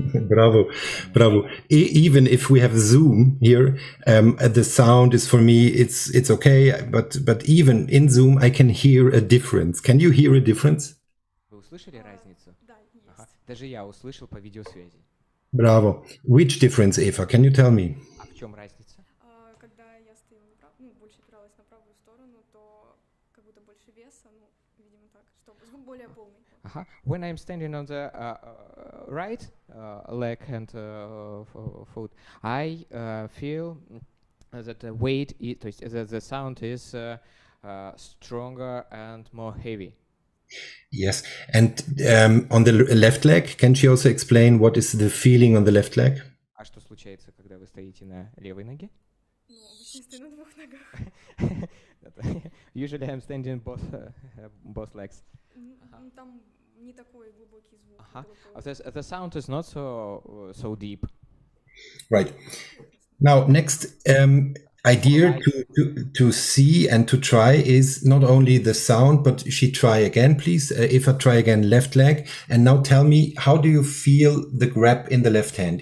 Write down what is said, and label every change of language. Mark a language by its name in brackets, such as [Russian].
[English] Bravo, bravo. Even if we have Zoom here, the sound is, for me, it's okay. But even in Zoom, I can hear a difference. Can you hear a difference? [Russian] Вы услышали разницу? Да, есть. Даже я услышал по видеосвязи. [English] Bravo. Which difference, Eva? Can you tell me? [Russian] А в чем разница? Когда я стою на правую, больше опиралась на правую сторону, то как будто больше веса, видимо так, что звук более полный. [English] When I'm standing on the right leg and foot, I feel that the weight, [Russian] то есть [English] that the sound is stronger and more heavy. Yes, and on the left leg, can she also explain what is the feeling on the left leg? [Russian] А что случается, когда вы стоите на левой ноге? Ну, обычно стою на двух ногах. [English] Usually I'm standing both both legs. [Russian] Там не такой глубокий звук. [English] The sound is not so so deep. Right. Now, next idea to see and to try is not only the sound, but she try again, please. If I try again, left leg, and now tell me, how do you feel the grab in the left hand?